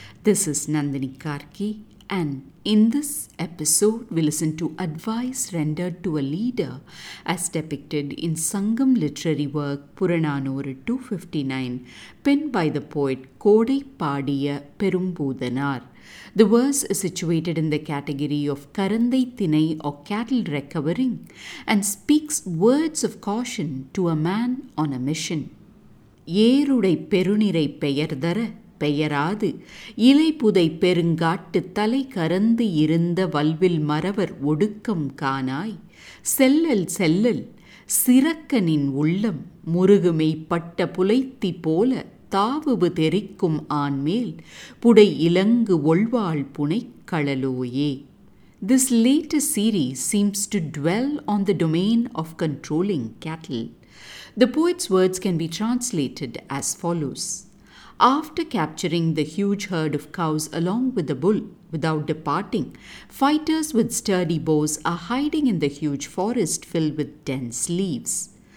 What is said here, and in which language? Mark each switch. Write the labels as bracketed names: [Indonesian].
[English] This is Nandini Karki, and in this episode we listen to advice rendered to a leader as depicted in Sangam literary work Puranaanooru 259, penned by the poet Kodai Paadiya Perumpoothanaar. The verse is situated in the category of Karanthai Thinai or cattle recovering and speaks words of caution to a man on a mission. [Tamil] ஏருடை பெருநிறை பெயர்தர பெயராது இலைபுதை பெருங்காட்டு தலை கறந்து இருந்த வல்வில் மறவர் ஒடுக்கம் காணாய் செல்லல் செல்லல் சிறக்கனின் உள்ளம் முருகுமைப்பட்ட புலைத்தி போல தாவுவு தெரிக்கும் ஆண்மேல் புடை இலங்கு ஒள்வாள் புனை களலோயே. [English] This latest series seems to dwell on the domain of controlling cattle. The poet's words can be translated as follows. After capturing the huge herd of cows along with the bull, without departing, fighters with sturdy bows are hiding in the huge forest filled with dense leaves.